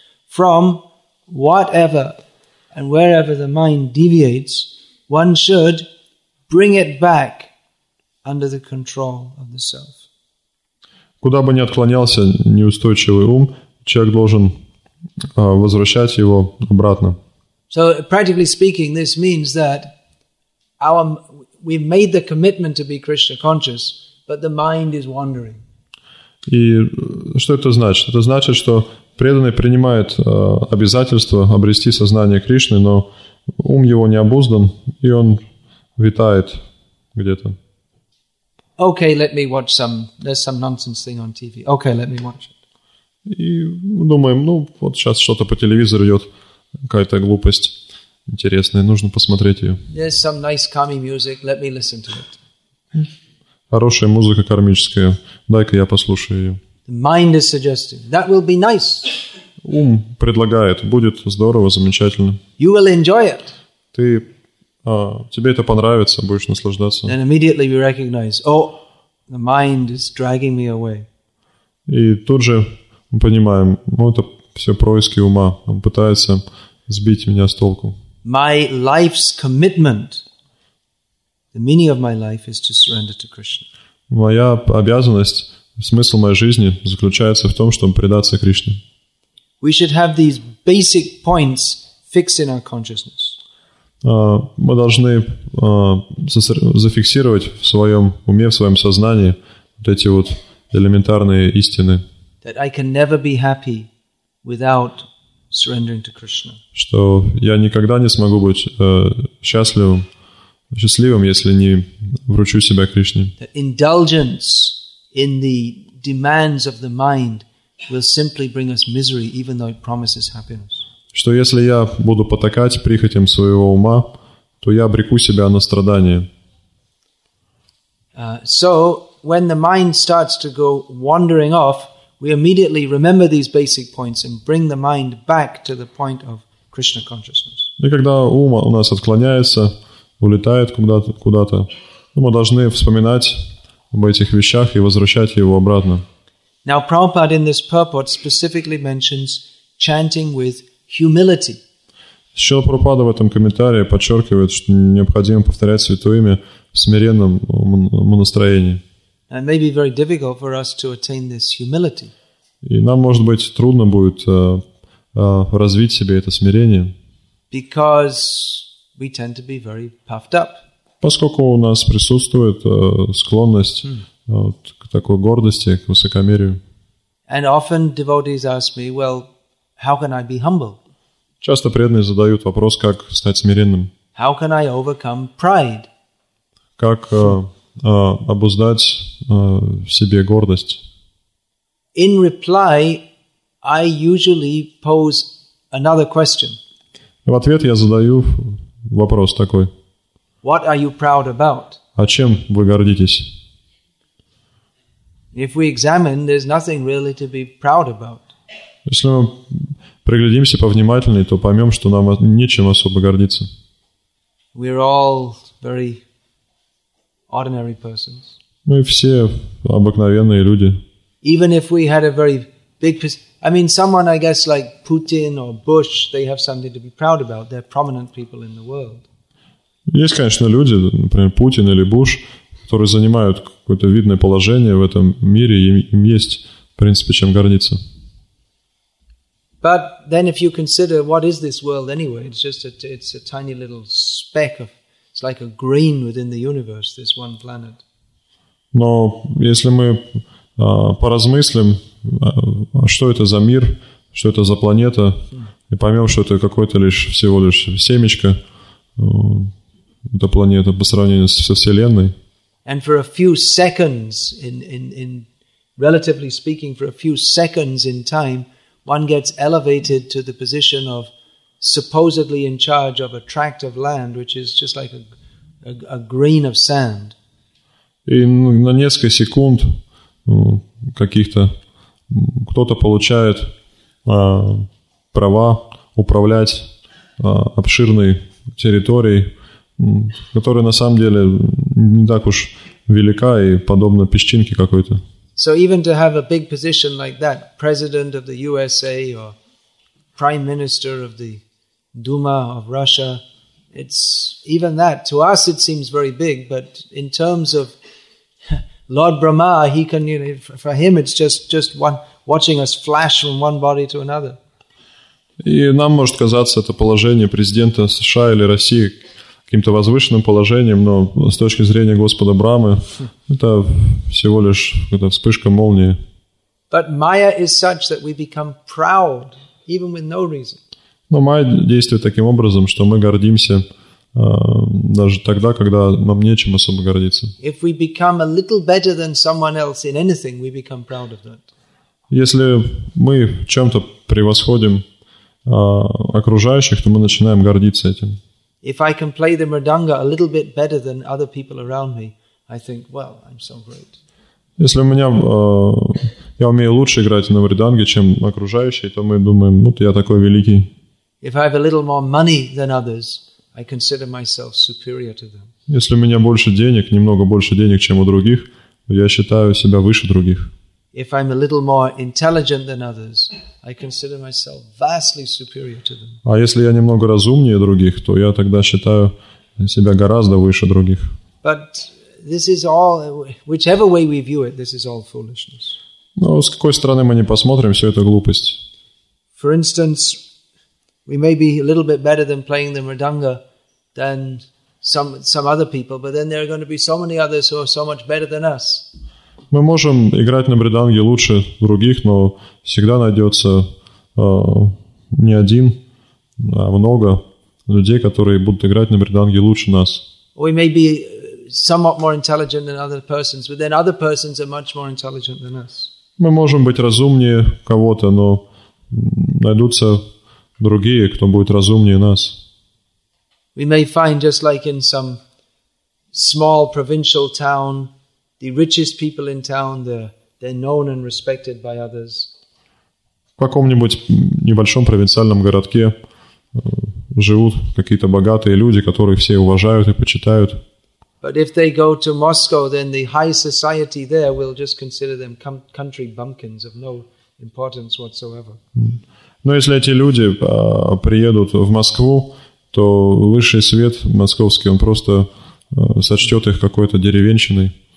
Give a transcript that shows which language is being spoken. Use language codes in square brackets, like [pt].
[en] From whatever and wherever the mind deviates, one should bring it back under the control of the self. [ru] Куда бы ни отклонялся неустойчивый ум, человек должен возвращать его обратно. [en] So, practically speaking, this means that our we've made the commitment to be Krishna conscious, but the mind is wandering. [ru] И что это значит? Это значит, что преданный принимает обязательство обрести сознание Кришны, но ум его не обуздан, и он витает где-то. [en] Okay, let me watch some. There's some nonsense thing on TV. Okay, let me watch it. [ru] И думаем, ну вот сейчас что-то по телевизору идет, какая-то глупость интересная, нужно посмотреть ее. [en] There's some nice calming music. Let me listen to it. [ru] Хорошая музыка кармическая. Дай-ка я послушаю ее. [en] The mind is suggesting that will be nice. [ru] Ум предлагает, будет здорово, замечательно. [en] You will enjoy it. [ru] Ты тебе это понравится, будешь наслаждаться. [en] And immediately we recognize, oh, the mind is dragging me away. [ru] И тут же мы понимаем, ну это все происки ума, он пытается сбить меня с толку. [en] My life's commitment, the meaning of my life is to surrender to Krishna. [ru] Моя обязанность, смысл моей жизни заключается в том, чтобы предаться Кришне. [en] We should have these basic points fixed in our consciousness. [ru] Мы должны зафиксировать в своем уме, в своем сознании вот эти вот элементарные истины. [en] That I can never be happy without surrendering to Krishna. [ru] Что я никогда не смогу быть счастливым, если не вручу себя Кришне. [en] That indulgence in the demands of the mind will simply bring us misery, even though it promises happiness. [ru] Что если я буду потакать прихотям своего ума, то я обреку себя на страдания. [en] So when the mind starts to go wandering off, we immediately remember these basic points and bring the mind back to the point of Krishna consciousness. [ru] И когда ум у нас отклоняется, улетает куда-то, мы должны вспоминать об этих вещах и возвращать его обратно. [en] Now, Prabhupada in this purport specifically mentions chanting with humility. [ru] Шрила Прабхупада в этом комментарии подчеркивает, что необходимо повторять святое имя в смиренном настроении. [en] And maybe very difficult for us to attain this humility. [ru] И нам, может быть, трудно будет развить себе это смирение. [en] Because we tend to be very puffed up. [ru] Поскольку у нас присутствует склонность к такой гордости, к высокомерию. [en] And often devotees ask me, well, how can I be humble? [ru] Часто преданные задают вопрос, как стать смиренным. [en] How can I overcome pride? [ru] Как обуздать в себе гордость? [en] In reply, I usually pose another question. [ru] В ответ я задаю вопрос такой. [en] What are you proud about? [ru] О чем вы гордитесь? [en] If we examine, there's nothing really to be proud about. [ru] Если мы приглядимся повнимательнее, то поймем, что нам нечем особо гордиться. [en] We're all very ordinary persons. [ru] Мы все обыкновенные люди. [en] Even if we had a very big, I mean, someone, I guess, like Putin or Bush, they have something to be proud about. They're prominent people in the world. [ru] Есть, конечно, люди, например, Путин или Буш, которые занимают какое-то видное положение в этом мире, и им есть, в принципе, чем гордиться. [en] But then if you consider what is this world anyway, it's just it's a tiny little speck of, it's like a grain within the universe, this one planet. [ru] Но если мы поразмыслим, что это за мир, что это за планета, и поймем, что это какой-то лишь всего лишь семечко, эта планета по сравнению со Вселенной. [en] And for a few seconds, in relatively speaking, for a few seconds in time, one gets elevated to the position of supposedly in charge of a tract of land, which is just like a grain of sand. [ru] И на несколько секунд каких-то кто-то получает права управлять обширной территорией, которая на самом деле не так уж велика и подобна песчинке какой-то. [en] So even to have a big position like that, president of the USA or prime minister of the Duma of Russia, it's even that. To us it seems very big, but in terms of Lord Brahma, he can, you know, for him it's just one watching us flash from one body to another. [ru] И нам может казаться это положение президента США или России каким-то возвышенным положением, но с точки зрения Господа Брамы это всего лишь это вспышка молнии. [en] But Maya is such that we become proud, even with no reason. [ru] Но Майя действует таким образом, что мы гордимся даже тогда, когда нам нечем особо гордиться. [en] If we become a little better than someone else in anything, we become proud of that. [ru] Если мы в чем-то превосходим окружающих, то мы начинаем гордиться этим. [en] If I can play the mridanga a little bit better than other people around me, I think, well, I'm so great. [ru] Если у меня я умею лучше играть на мриданге, чем окружающие, то мы думаем, вот я такой великий. [en] If I have a little more money than others, I consider myself superior to them. [ru] Если у меня больше денег, немного больше денег, чем у других, я считаю себя выше других. [en] If I'm a little more intelligent than others, I consider myself vastly superior to them. [ru] А если я немного разумнее других, то я тогда считаю себя гораздо выше других. [en] But this is all, whichever way we view it, this is all foolishness. [ru] Но с какой стороны мы не посмотрим, все это глупость. [en] For instance, we may be a little bit better than playing the mridanga than some other people, but then there are going to be so many others who are so much better than us. [ru] Мы можем играть на мриданге лучше других, но всегда найдется не один, а много людей, которые будут играть на мриданге лучше нас. [en] We may be somewhat more intelligent than other persons, but then other persons are much more intelligent than us. [ru] Мы можем быть разумнее кого-то, но найдутся другие, кто будет разумнее нас. [en] We may find, just like in some small provincial town, the richest people in town, they're known and respected by others. [ru] В каком-нибудь небольшом провинциальном городке живут какие-то богатые люди, которые все уважают и почитают. [en] But if they go to Moscow, then the high society there will just consider them country bumpkins of no importance whatsoever. [ru] Но если эти люди приедут в Москву, то высший свет московский, он просто сочтет их какой-то деревенщиной.